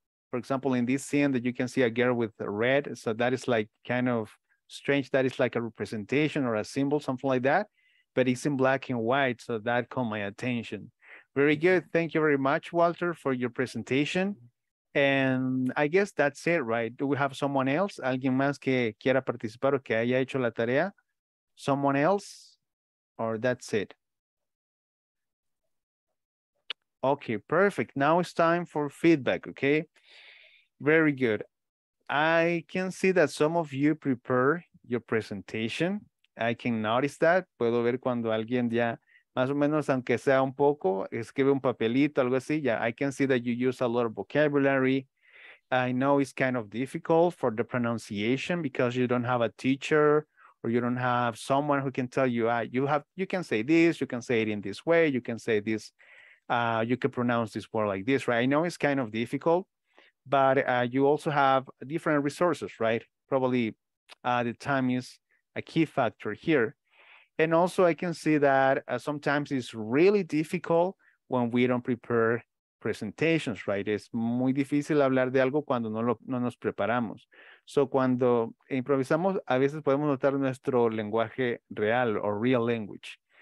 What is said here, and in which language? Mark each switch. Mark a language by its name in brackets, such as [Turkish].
[English] For example, in this scene that you can see a girl with red. So that is like kind of strange. That is like a representation or a symbol, something like that. But it's in black and white. So that caught my attention. Very good. Thank you very much, Walter, for your presentation. And I guess that's it, right? Do we have someone else? [Spanish] Alguien más que quiera participar o que haya hecho la tarea? [English] Someone else? Or that's it. Okay, perfect. Now it's time for feedback, okay? Very good. I can see that some of you prepare your presentation. I can notice that. [Spanish] Puedo ver cuando alguien ya, más o menos, aunque sea un poco, escribe un papelito, algo así. [English] Yeah, I can see that you use a lot of vocabulary. I know it's kind of difficult for the pronunciation because you don't have a teacher or you don't have someone who can tell you, you can say this, you can say it in this way, you can say this, you can pronounce this word like this, right? I know it's kind of difficult, but you also have different resources, right? Probably the time is a key factor here. And also I can see that sometimes it's really difficult when we don't prepare presentations, right? [Spanish] Es muy difícil hablar de algo cuando no nos preparamos. So cuando improvisamos, a veces podemos notar nuestro lenguaje real or real language.